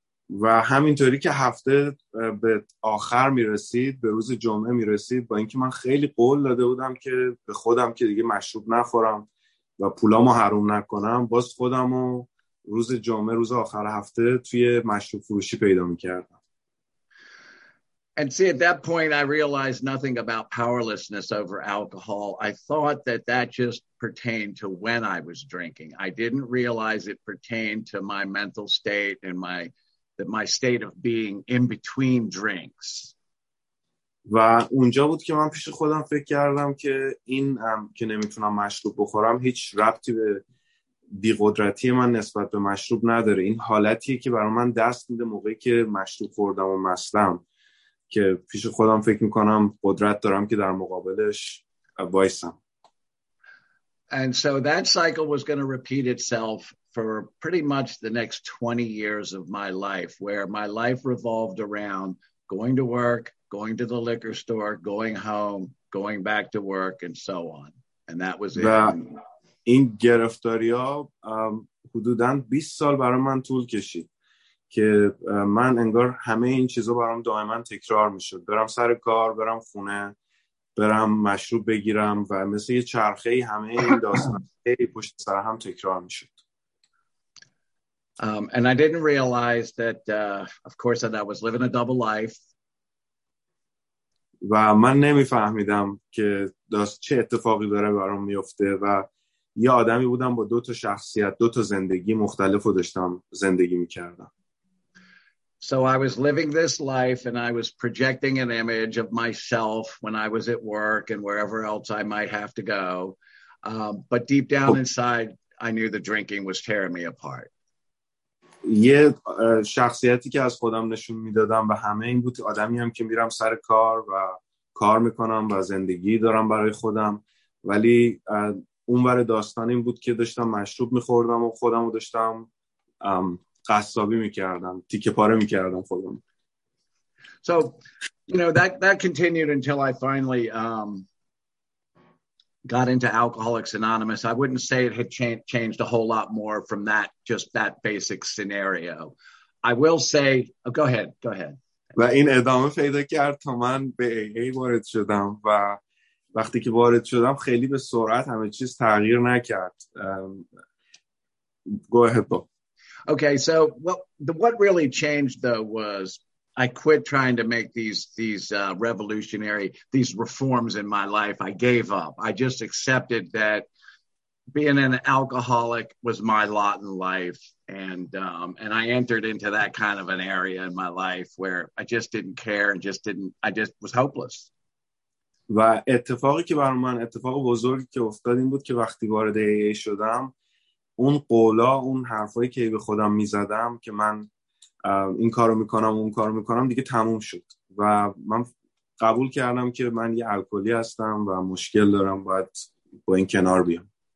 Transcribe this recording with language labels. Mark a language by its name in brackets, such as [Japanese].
[Persian] و همینطوری که هفته به آخر میرسید، به روز جمعه میرسید، با اینکه من خیلی قول داده بودم که به خودم که دیگه مشروب نخورم و پولامو حروم نکنم، باز خودمو روز جمعه روز آخر هفته توی مشروب فروشی پیدا میکردم. [English] And see, at that point, I realized nothing about powerlessness over alcohol. I thought that that just pertained to when I was drinking. I didn't realize it pertained to my mental state and my state of being in between drinks. [Persian] و اونجا بود که من پیش خودم فکر کردم که این که نمیتونم مشروب بخورم هیچ ربطی به بیقدرتی من نسبت به مشروب نداره. این حالتیه که برای من دست میده موقعی که مشروب خوردم و مستم، که پیش خودم فکر میکنم قدرت دارم که در مقابلش وایسم. [English] And so that cycle was going to repeat itself for pretty much the next 20 years of my life, where my life revolved around going to work, going to the liquor store, going home, going back to work, and so on. And that was it. [Persian] این گرفتاری ها حدوداً 20 سال برای من طول کشید که من انگار همه این چیزا برام دائما تکرار میشد. برم سر کار، برم خونه، برم مشروب بگیرم و مثل یه چرخه همه این داستان پشت سر هم تکرار میشد. [English] And I didn't realize that of course that I was living a double life. [Persian] و من نمیفهمیدم که داست چه اتفاقی داره برام میفته و یه آدمی بودم با دو تا شخصیت، دو تا زندگی مختلفو داشتم زندگی میکردم. [English] So I was living this life and I was projecting an image of myself when I was at work and wherever else I might have to go. But deep down inside, I knew the drinking was tearing me apart. [Persian] یه شخصیتی که از خودم نشون میدادم به همه این بود آدمی هم که میرم سر کار و کار میکنم و زندگی دارم برای خودم، ولی اونور داستان این بود که داشتم مشروب میخوردم و خودم رو داشتم قصابی میکردم، تیکه پاره میکردم خودم. [English] So, you know, that continued until I finally got into Alcoholics Anonymous. I wouldn't say it had changed a whole lot more from that, just that basic scenario. I will say, oh, go ahead. [Persian] و این ادامه پیدا کرد تا من به AA وارد شدم و وقتی که وارد شدم خیلی به سرعت همه چیز تغییر نکرد. [English] Go ahead, though. Okay, so what really changed though was I quit trying to make these reforms in my life. I gave up. I just accepted that being an alcoholic was my lot in life, and I entered into that kind of an area in my life where I just didn't care and just was hopeless. [Persian] و اتفاقی که برام اتفاق بزرگی که افتاد این بود که وقتی وارد AA شدم اون قولا، اون حرفایی که به خودم میزدم که من این کارو میکنم اون کارو میکنم دیگه تموم شد و من قبول کردم که من یه الکلی هستم و مشکل دارم، باید با این کنار بیام.